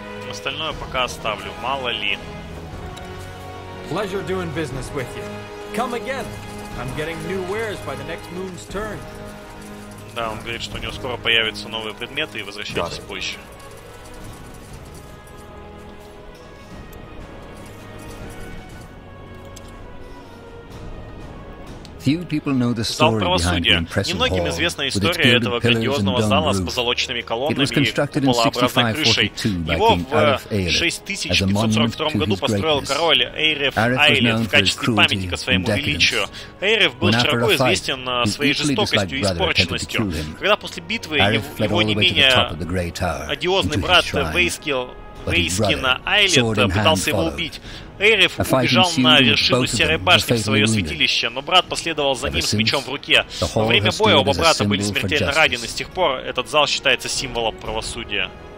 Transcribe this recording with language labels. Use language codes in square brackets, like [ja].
[ru] Остальное пока оставлю, мало ли. [en] Pleasure doing business with you. Come again. I'm getting new wares by the next moon's turn. [ru] Да, он говорит, что у него скоро появятся новые предметы и возвращайтесь позже. [en] Few people know the story behind the impressive hall, with its gilded pillars and domed roof. It was constructed in 6542 by King Arif Eirith as a monument to his greatness. Arif was known for his cruelty and decadence. When after a fight, his equally disliked brother attempted to kill him, Arif fled all the way to the top of the Grey Tower, into his shrine. [ru] Вейскина Айлет пытался его убить. Эйриф убежал на вершину Серой Башни в свое святилище, но брат последовал за ним с мечом в руке. Во время боя оба брата были смертельно ранены. С тех пор этот зал считается символом правосудия.